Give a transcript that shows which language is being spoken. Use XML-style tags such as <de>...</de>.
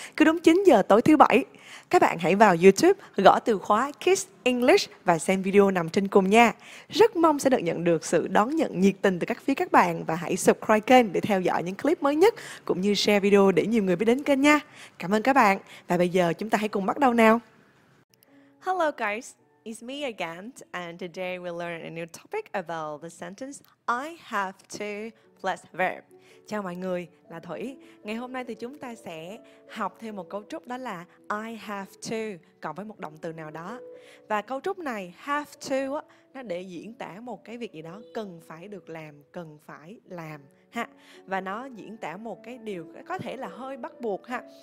<vi>Cứ đúng 9 giờ tối thứ bảy, các bạn hãy vào YouTube gõ từ khóa Kiss English và xem video nằm trên cùng nha. Rất mong sẽ được nhận được sự đón nhận nhiệt tình từ các phía các bạn và hãy subscribe kênh để theo dõi những clip mới nhất cũng như share video để nhiều người biết đến kênh nha. Cảm ơn các bạn và bây giờ chúng ta hãy cùng bắt đầu nào.</vi> <en>Hello guys. It's me again, and today we learn a new topic about the sentence I have to plus verb.</en> <vi>Chào mọi người, là Thủy. Ngày hôm nay thì chúng ta sẽ học thêm một cấu trúc, đó là</vi> <en>I have to</en> <vi>cộng với một động từ nào đó. Và cấu trúc này have to á, nó để diễn tả một cái việc gì đó cần phải được làm, cần phải làm ha. Và nó diễn tả một cái điều có thể là hơi bắt buộc ha.</vi>